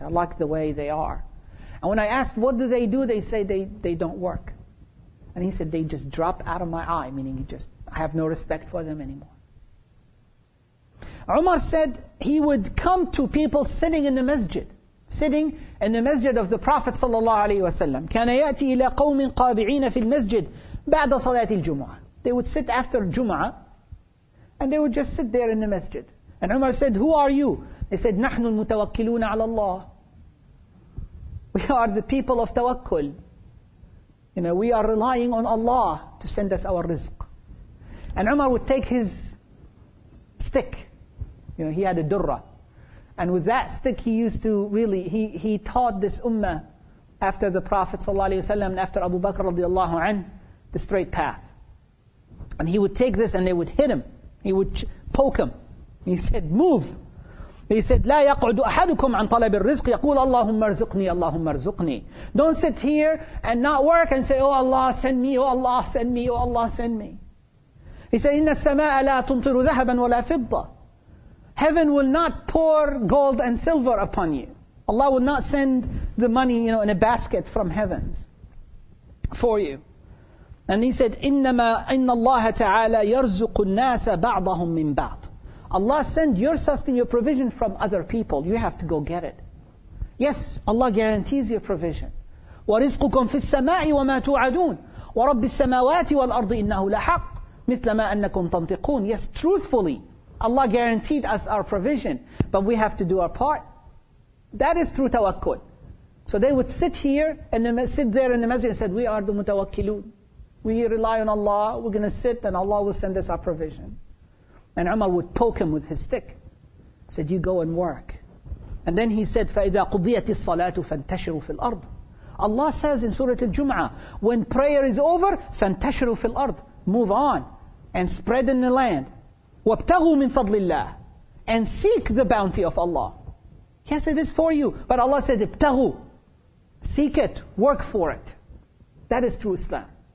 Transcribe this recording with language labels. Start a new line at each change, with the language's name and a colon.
English: I like the way they are. And when I asked, what do? They say they don't work. And he said, they just drop out of my eye, meaning I have no respect for them anymore. Umar said, he would come to people sitting in the masjid of the Prophet ﷺ.
Arabic: كان يأتي إلى قوم قابعين في المسجد بعد صلاة الجمعة.
English: They would sit after Jum'ah, and they would just sit there in the masjid. And Umar said, who are you? They said,
Arabic: نحن المتوكلون على الله.
English: We are the people of tawakkul. You know, we are relying on Allah to send us our rizq. And Umar would take his stick. You know, he had a durra. And with that stick he used to really, he taught this ummah after the Prophet ﷺ and after Abu Bakr radiallahu anh, the straight path. And he would take this and they would hit him. He would poke him. He said, move. He said,
Arabic: لا يقعد أحدكم عن طلب الرزق يقول اللهم ارزقني اللهم ارزقني.
English: Don't sit here and not work and say, oh Allah, send me, oh Allah, send me, oh Allah, send me. He said,
Arabic: إن السماء لا تمطر ذهبا ولا فضة.
English: Heaven will not pour gold and silver upon you. Allah will not send the money, you know, in a basket from heavens for you. And he said,
Arabic: إنما إن الله تعالى يرزق الناس بعضهم من بعض.
English: Allah send your sustenance, your provision from other people. You have to go get it. Yes, Allah guarantees your provision.
Arabic: وَرِزْقُكُمْ فِي السَّمَاءِ وَمَا تُوعَدُونَ وَرَبِّ السَّمَاوَاتِ وَالْأَرْضِ إِنَّهُ لَحَقٌّ مِثْلَ مَا أَنَّكُمْ تَنْطِقُونَ.
English: Yes, truthfully, Allah guaranteed us our provision, but we have to do our part. That is through tawakkul. So they would sit there in the masjid and said, we are the mutawakkilun. We rely on Allah. We're going to sit and Allah will send us our provision. And Umar would poke him with his stick. He said, you go and work. And then he said,
Arabic: فَإِذَا قُضِيَتِ الصَّلَاةُ فَانْتَشِرُوا فِي الْأَرْضِ.
English: Allah says in Surah Al-Jum'ah, when prayer is over,
Arabic: فَانْتَشِرُوا فِي الْأَرْضِ.
English: Move on and spread in the land.
Arabic: وَابْتَغُوا مِنْ فَضْلِ اللَّهِ.
English: And seek the bounty of Allah. Yes, it is for you. But Allah said,
Arabic: ابْتَغُوا.
English: Seek it. Work for it. That is true Islam.